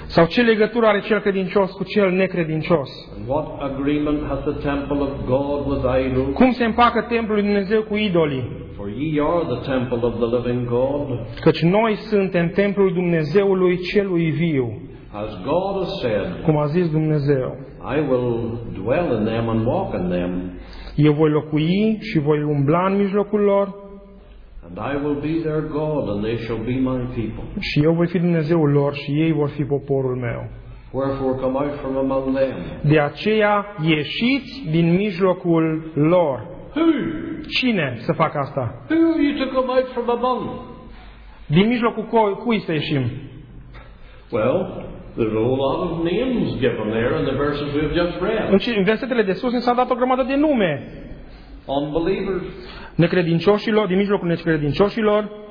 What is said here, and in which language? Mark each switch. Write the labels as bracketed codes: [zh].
[ro] Sau ce legătură are cel credincios cu cel necredincios? [en] And what agreement hath the temple of God with idols? [ro] Cum se împacă templul lui Dumnezeu cu idolii? [en] For ye are the temple of the living God. [ro] Căci noi suntem templul Dumnezeului celui viu. [en] As God has said, [ro] cum a zis Dumnezeu, [en] I will dwell in them and walk in them. [ro] Eu voi locui și voi umbla în mijlocul lor. [en] And I will be their God and they shall be my people. [ro] Și eu voi fi Dumnezeul lor și ei vor fi poporul meu. [en] Wherefore come out from among them. [ro] De aceea ieșiți din mijlocul lor. [en] Who? [ro] Cine să facă asta? [en] Who are you to come out from among? [ro] Din mijlocul cui să ieșim? [en] Well, there are a lot of names given there in the verses we have just read. [ro] În versetele de sus ni s-a dat o grămadă de nume. [en] Unbelievers. [ro] Necredincioșilor, din mijlocul necredincioșilor.